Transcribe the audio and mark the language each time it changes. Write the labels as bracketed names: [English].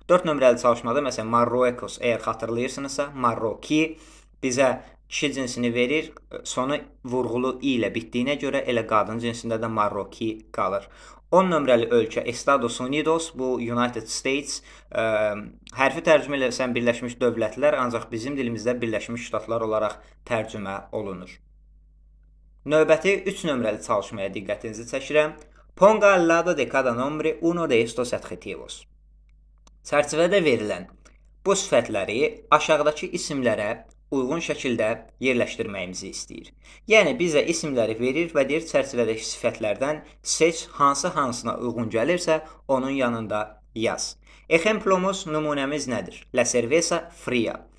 [Azerbaijani] 4 nömrəli çalışmada məsələn Marruecos, əgər xatırlayırsınızsa, Marroki bizə kişi cinsini verir, sonu vurğulu i ilə bitdiyinə görə elə qadın cinsində də Marroki qalır. 10 nömrəli ölkə Estados Unidos, bu United States, hərfi tərcümə eləsən Birləşmiş Dövlətlər, ancaq bizim dilimizdə Birləşmiş Ştatlar olaraq tərcümə olunur. Növbəti 3 nömrəli çalışmaya diqqətinizi çəkirəm. [Spanish] Ponga al lado de cada nombre uno de estos adjetivos. [Azerbaijani] Çərçivədə verilən bu sifətləri aşağıdakı isimlərə uyğun şəkildə yerləşdirməyimizi istəyir. Yəni, bizə isimləri verir və deyir, çərçivədəki sifətlərdən seç hansı-hansına uyğun gəlirsə, onun yanında yaz. Ejemplomuz, nümunəmiz nədir? [Spanish] La cerveza fría.